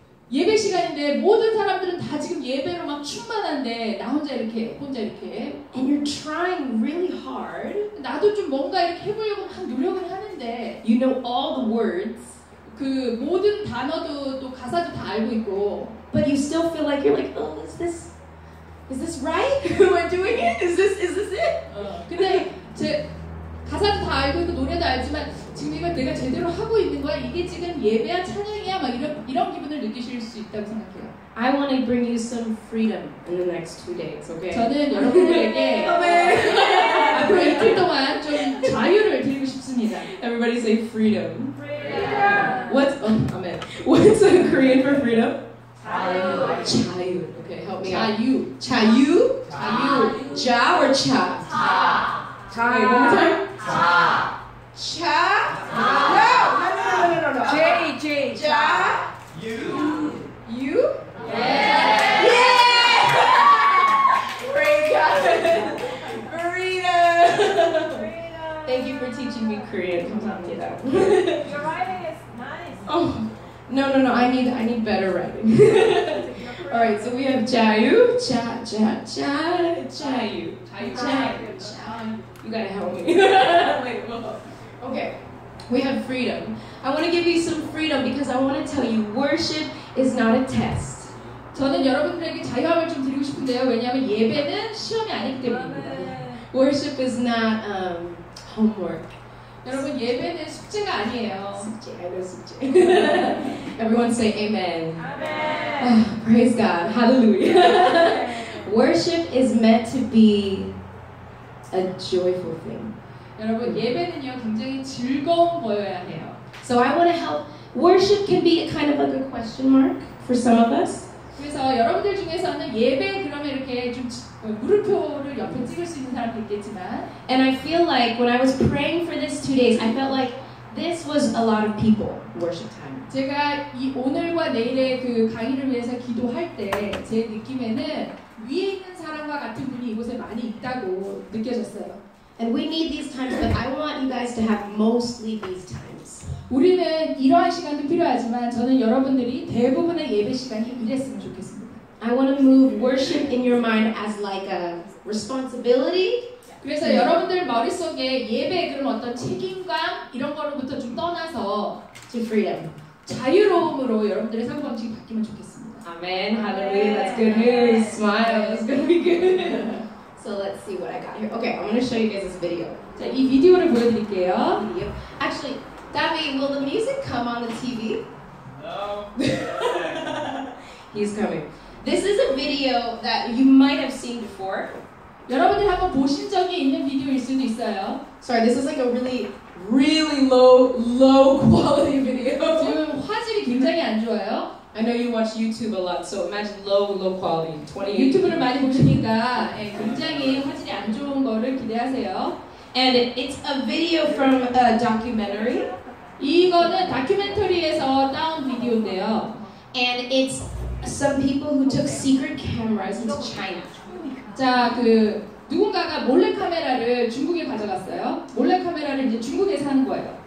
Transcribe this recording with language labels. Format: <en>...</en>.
<ko>예배 시간인데 모든 사람들은 다 지금 예배로 막 충만한데 나 혼자 이렇게</ko> <en>And you're trying really hard.</en> <ko>나도 좀 뭔가 이렇게 해보려고 막 노력을 하는데</ko> <en>You know all the words.</en> <ko>그 모든 단어도 또 가사도 다 알고 있고</ko> <en>But you still feel like you're like, oh, is this right? Am I doing it? Is this it?</en> <ko>근데 제 가사도 다 알고 있고 노래도 알지만 지금 이걸 내가 제대로 하고 있는 거야? 이게 지금 예배야 찬양이야? 막 이런 기분을 느끼실 수 있다고 생각해요.</ko> <en>I want to bring you some freedom in the next 2 days, okay?</en> <ko>저는 여러분들에게 앞으로 이틀 동안 좀 자유를 드리고 싶습니다.</ko> <en>Everybody say freedom. Freedom. What's, oh, amen. What's in Korean for freedom?</en> <ko>자유. 자유.</ko> <en>Okay, help me out.</en> <ko>자유. 자유? 자유. 자</ko> <en>or</en> <ko>차? 자. 자. 자. 자. 자. 자. 자. 자. 자. 자. 자. 자. 자. 자. 자. 자. 자. 자. 유. 유?</ko> <en>Yeah! Yeah! Freedom! Thank you for teaching me Korean. Your writing is nice. Oh, no. I need better writing. All right. So we have</en> <ko>자유, 자, 자, 자, 자유, 자유, 자유.</ko> <en>You gotta help me. Wait, okay. We have freedom. I want to give you some freedom because I want to tell you worship is not a test.</en> <ko>저는 여러분들에게 자유함을 좀 드리고 싶은데요. 왜냐하면 예배는 시험이 아니기 때문입니다.</ko> <en>Worship is not homework.</en> <ko>여러분 예배는 숙제가 아니에요. 숙제, 아니요 숙제.</ko> <en>Everyone say amen. Amen. Praise God. Hallelujah. Worship is meant to be a joyful thing.</en> <ko>여러분 예배는요 굉장히 즐거운 거여야 해요.</ko> <en>So I want to help. Worship can be a kind of like a question mark for some of us.</en> <ko>그래서 여러분들 중에서는 예배 그러면 이렇게 좀 물음표를 옆에 찍을 수 있는 사람도 있겠지만</ko> <en>And I feel like when I was praying for this 2 days, I felt like this was a lot of people worship time.</en> <ko>제가 이 오늘과 내일의 그 강의를 위해서 기도할 때 제 느낌에는 위에 있는 사람과 같은 분이 이곳에 많이 있다고 느껴졌어요.</ko> <en>And we need these times, but I want you guys to have mostly these times.</en> <ko>우리는 이러한 시간도 필요하지만 저는 여러분들이 대부분의 예배 시간이 이랬으면 좋겠습니다.</ko> <en>I want to move worship in your mind as like a responsibility.</en> <ko>그래서 여러분들 머릿속에 예배 그런 어떤 책임감 이런 거로부터 좀 떠나서</ko> <en>to freedom.</en> <ko>자유로움으로 여러분들의 삶 방식이 바뀌면 좋겠습니다.</ko> <en>Amen. Hallelujah. That's good news. Smile. That's gonna be good. So let's see what I got here. Okay, I'm gonna show you guys this video.</en> <ko>자, 이 비디오를 보여드릴게요.</ko> <en>Actually, Davi, will the music come on the TV? No. He's coming. This is a video that you might have seen before.</en> <ko>여러분들 한번 보신 적이 있는 비디오일 수도 있어요.</ko> <en>Sorry, this is like a really, really low quality video.</en> <ko>지금 화질이 굉장히 안 좋아요.</ko> <en>I know you watch YouTube a lot, so imagine low quality. 28.</en> <ko>유튜브를 많이 보시니까 예, 굉장히 화질이 안 좋은 거를 기대하세요.</ko> <en>And it's a video from a documentary.</en> <ko>이거는 다큐멘터리에서 따온 비디오인데요.</ko> <en>And it's some people who took secret cameras into China.</en> <ko>자, 그 누군가가 몰래 카메라를 중국에 가져갔어요. 몰래 카메라를 이제 중국에서 한 거예요.</ko>